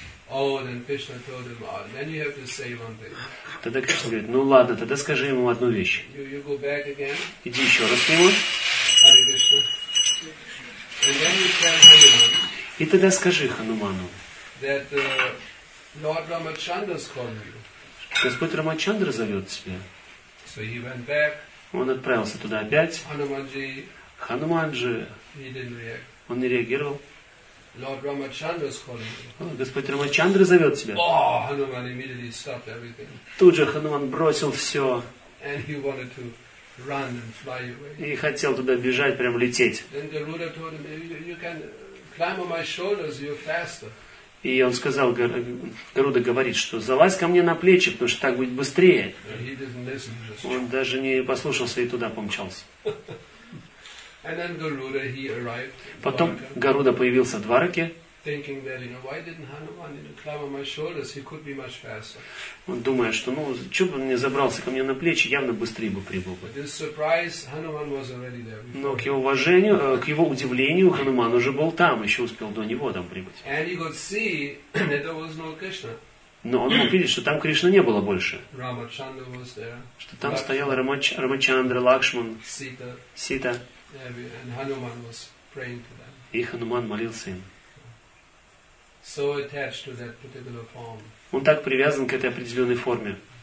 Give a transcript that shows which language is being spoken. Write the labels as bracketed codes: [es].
[en] Oh, then Krishna told him, then you have to say one thing. [ru] Тогда Кришна говорит, ну ладно, тогда скажи ему одну вещь. [en] You go back again. [ru] Иди еще раз к нему. [en] Hare Krishna. And then you tell Hanuman. [ru] И тогда скажи Хануману. [en] That Lord Ramachandra is calling you. [ru] Господь Рамачандра зовет тебя. [en] So he went back. [ru] Он отправился туда опять. Хануманджи. Хануманджи. [en] He didn't react. [ru] Он не реагировал. [en] Lord Ramachandra is calling you. [ru] О, Господь Рамачандра зовет тебя. [en] Oh, Hanuman immediately stopped everything. [ru] Тут же Хануман бросил все. [en] And he wanted to run and fly away. [ru] И хотел туда бежать, прям лететь. [en] Then Garuda told him, you can climb on my shoulders, you're faster. [ru] И он сказал, Гаруда говорит, что залазь ко мне на плечи, потому что так будет быстрее. Он даже не послушался и туда помчался. [en] And then Garuda, he arrived. [ru] Потом Гаруда появился в Двараке. [en] Thinking that, you know, why didn't Hanuman climb on my shoulders? He could be much faster. [ru] Он думает, что, ну, что бы он не забрался ко мне на плечи, явно быстрее бы прибыл. [en] But his surprise, Hanuman was already there. [ru] Но к его уважению, к его удивлению, Хануман уже был там, еще успел до него там прибыть. [en] And he could see that there was no Krishna. [ru] Но он мог видеть, что там Кришны не было больше. [en] Рамачандра was there. [ru] Что там стоял Рамачандра, Лакшман, [en] Сита. And Hanuman was praying to them. [ru] И Хануман молился им. [en] So attached to that particular form. [ru] Он так привязан к этой определенной форме.